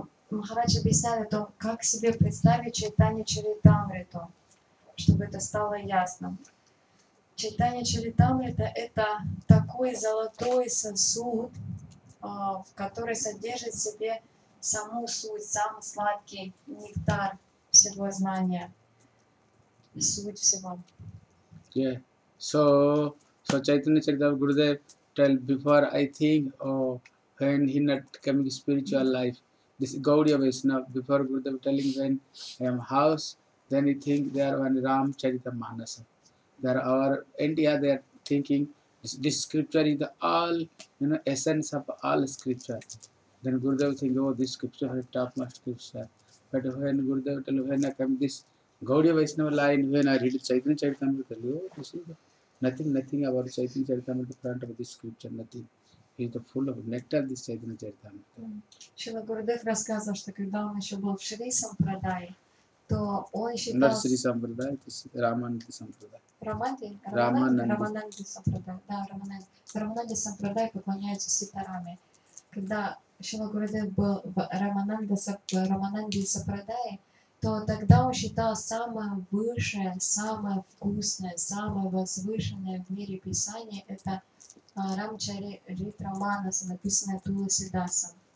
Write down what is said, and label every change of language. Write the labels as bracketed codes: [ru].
[ru] Махарадж объясняет то, как себе представить Чайтанья Чаритамриту, чтобы это стало ясным. Чайтанья Чаритамрита — это такой золотой сосуд, который содержит в себе саму суть, сам сладкий нектар всего знания, суть всего. [en] Yeah. So Chaitanya Charitamrita Gurudev tell before I think when he not coming spiritual life, this Gaudiya Vaishnava, before Gurudev telling when I am house, then he think they are one Ram Charita Manasa. There our India, they are thinking this scripture is the all, you know, essence of all scripture. Then Gurudev think, oh, this scripture is topmost scripture. But when Gurudev tell when I come this Gaudiya Vaishnava line, when I read Chaitanya Charitamrita, oh, this is the Nothing about Chaitanya Charitamrita front of this scripture, nothing. He is the full of nectar, this Chaitanya Charitamrita. [ru] Шрила Гурудев рассказывал, что когда он еще был в Шри Сампрадай, то он считал... Шри Сампрадай, это Рамананди Сампрадай. Рамананди Сампрадай. Да, Рамананди Сампрадай поклоняется Ситараме. Когда Шрила Гурудев был в Рамананди Сампрадай, то тогда он считал самое высшее, самое вкусное, самое возвышенное в мире писание это Рамчаритамрита, написанное Туласидасом.